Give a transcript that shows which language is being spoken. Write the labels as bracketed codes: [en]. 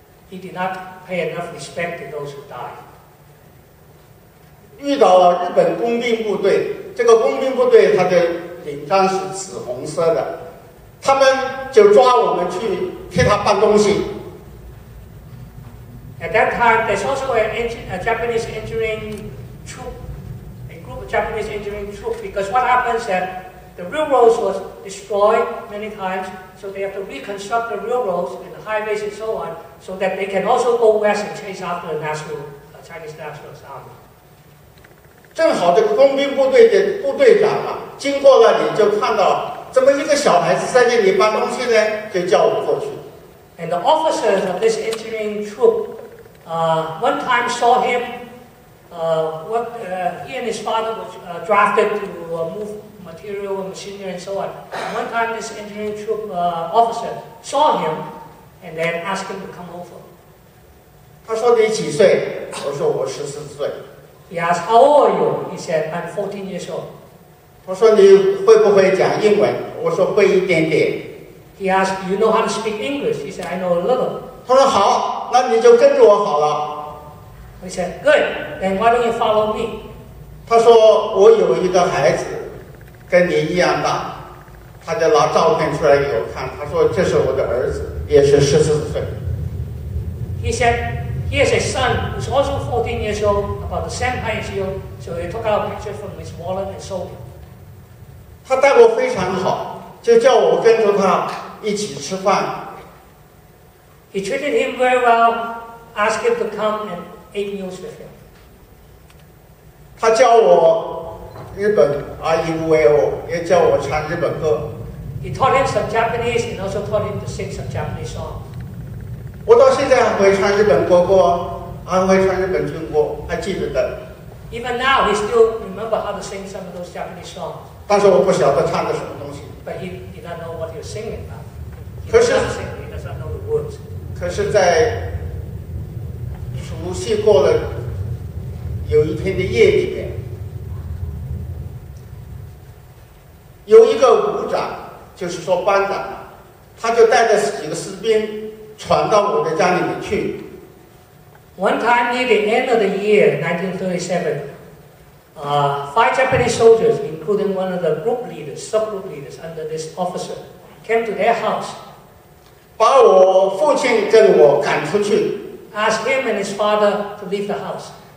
[en] he did not pay enough respect to those who died. [zh] 遇到了日本工兵部队，这个工兵部队他的领章是紫红色的，他们就抓我们去替他搬东西。 [en] At that time, there's also a Japanese engineering troop, a group of Japanese engineering troop, because what happens is that the railroads was destroyed many times, so they have to reconstruct the railroads and the highways and so on, so that they can also go west and chase after the national, Chinese National Army. [zh] 正好这个工兵部队的部队长啊，经过那里就看到怎么一个小孩子在那里搬东西呢，就叫我过去。 [en] And the officers of this engineering troop, one time saw him, he and his father was drafted to move material and machinery and so on. And one time this engineering troop officer saw him and then asked him to come over. [zh] 他说你几岁？我说我14岁。 [en] He asked, how old are you? He said, I'm 14 years old. [zh] 我说你会不会讲英文？我说会一点点。 [en] He asked, you know how to speak English? He said, I know a little. [zh] 他说好，那你就跟着我好了。 [en] He said, good, then why don't you follow me? [zh] 他说我有一个孩子跟你一样大，他就拿照片出来给我看，他说这是我的儿子，也是十四岁。 [en] He said, he has a son who's also 14 years old, about the same height as you, so he took out a picture from his wallet and showed him. [zh] 他待我非常好，就叫我跟着他一起吃饭。 [en] He treated him very well, asked him to come and eat meals with him. [zh] 他教我日本 IUAO, 也教我唱日本歌。 [en] He taught him some Japanese and also taught him to sing some Japanese songs. [zh] 我到现在还会唱日本国歌，还会唱日本军歌，还记得的。 [en] Even now, he still remembers how to sing some of those Japanese songs. [zh] 但是我不晓得唱的什么东西。 [en] But he did not know what he was singing about. He does not sing, he does not know the words. [zh] 可是在熟悉过了有一天的夜里面，有一个武长，就是说班长，他就带着几个士兵闯到我的家里面去。 [en] One time near the end of the year, 1937, five Japanese soldiers, including one of the group leaders, subgroup leaders under this officer, came to their house. [zh] 把我父亲跟我赶出去。 [en] Ask him and his father to leave the house.